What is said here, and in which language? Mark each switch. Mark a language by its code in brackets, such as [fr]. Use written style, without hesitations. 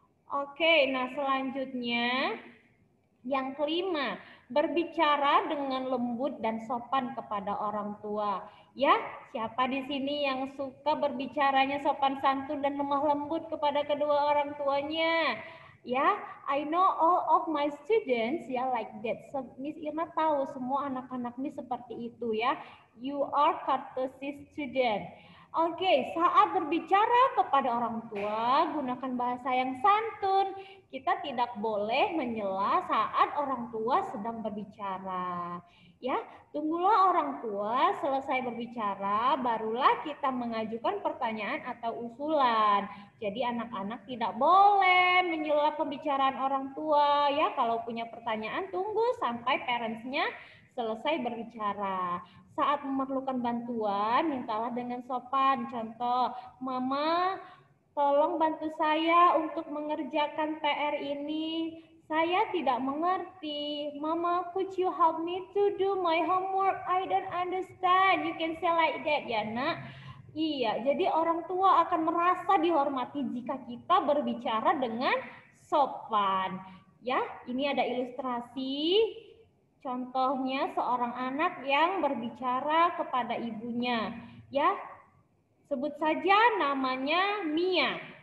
[id] Oke, nah selanjutnya, yang kelima, berbicara dengan lembut dan sopan kepada orang tua. Ya, siapa di sini yang suka berbicaranya sopan santun dan lemah lembut kepada kedua orang tuanya? [en] Ya, I know all of my students, ya, like that. [id] So, Miss Irna tahu semua anak-anak ini seperti itu, ya. [en] You are courtesy student. [id] Oke, saat berbicara kepada orang tua, gunakan bahasa yang santun. Kita tidak boleh menyela saat orang tua sedang berbicara. Ya, tunggulah orang tua selesai berbicara, barulah kita mengajukan pertanyaan atau usulan. Jadi anak-anak tidak boleh menyela pembicaraan orang tua. Ya, kalau punya pertanyaan, tunggu sampai parents-nya selesai berbicara. Saat memerlukan bantuan, mintalah dengan sopan. Contoh, Mama, tolong bantu saya untuk mengerjakan PR ini. Saya tidak mengerti. [en] Mama, could you help me to do my homework? I don't understand. You can say like that, ya, Nak. [id] Iya, jadi orang tua akan merasa dihormati jika kita berbicara dengan sopan. Ya, ini ada ilustrasi. Contohnya seorang anak yang berbicara kepada ibunya, ya, sebut saja namanya Mia.